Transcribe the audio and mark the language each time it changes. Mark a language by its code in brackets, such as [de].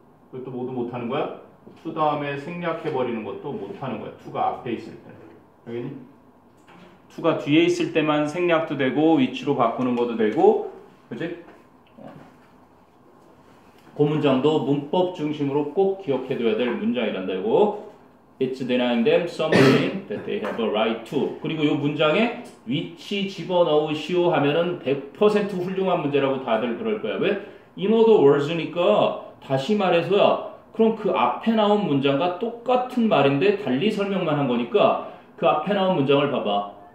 [ko] 그것도 모두 못하는 거야? to 다음에 생략해버리는 것도 못하는 거야, to가 앞에 있을 때. 알겠니? to가 뒤에 있을 때만 생략도 되고 위치로 바꾸는 것도 되고, 그치? 그 문장도 문법 중심으로 꼭 기억해둬야 될 문장이란다고. [en] It's denying them something that they have a right to. [ko] 그리고 이 문장에 위치 집어넣으시오 하면은 100% 훌륭한 문제라고 다들 그럴 거야. 왜? [en] In other words니까. [ko] 다시 말해서야, 그럼 그 앞에 나온 문장과 똑같은 말인데 달리 설명만 한 거니까 그 앞에 나온 문장을 봐봐.